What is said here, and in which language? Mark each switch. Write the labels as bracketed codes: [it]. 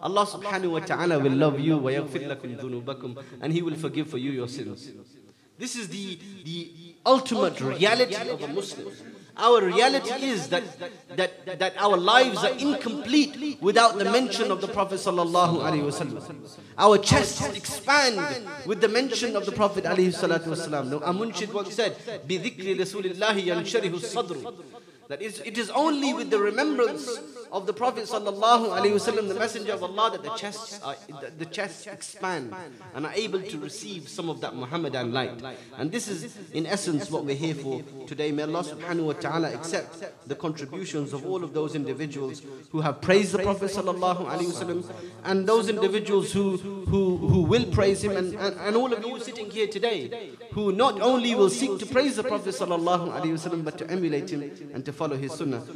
[en] Allah subhanahu wa ta'ala will love you, [ar] وَيَغْفِرْ لَكُمْ ذُنُوبَكُمْ, [en] and He will forgive for you your sins. This is the ultimate reality of a Muslim. Our reality is that our lives are incomplete without the mention of the Prophet sallallahu alaihi wasallam. Our chests expand with the mention of the Prophet alayhi salatu wasallam. A munshid once said, [ar] بِذِكْرِ رَسُولِ اللَّهِ يَنْشَرِهُ الصَّدْرُ. [en] That is, it is only with the remembrance of the Prophet sallallahu alaihi wasallam, the Messenger of Allah, that the chests expand and are able to receive some of that Muhammadan light. And this is, in essence, what we're here for today. May Allah subhanahu wa ta'ala accept the contributions of all of those individuals who have praised the Prophet sallallahu alaihi wasallam, and those individuals who will praise him, and all of you sitting here today, who not only will seek to praise the Prophet sallallahu alaihi wasallam, but to emulate him and to follow his sunnah.